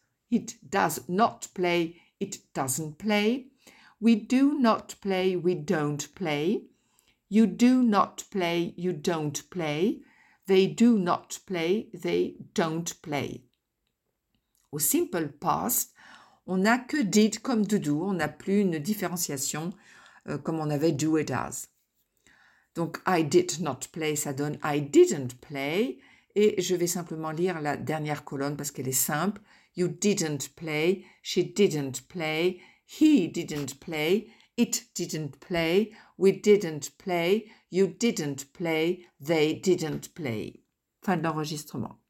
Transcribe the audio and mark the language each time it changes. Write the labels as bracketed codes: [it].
[en] It does not play, it doesn't play. We do not play, we don't play. You do not play, you don't play. They do not play, they don't play. [fr] Au simple past, on n'a que did comme doudou, on n'a plus une différenciation comme on avait do et does. Donc, [en] I did not play, [fr] ça donne [en] I didn't play. [fr] Et je vais simplement lire la dernière colonne parce qu'elle est simple. [en] You didn't play, she didn't play, he didn't play, it didn't play, we didn't play, you didn't play, they didn't play. [fr] Fin de l'enregistrement.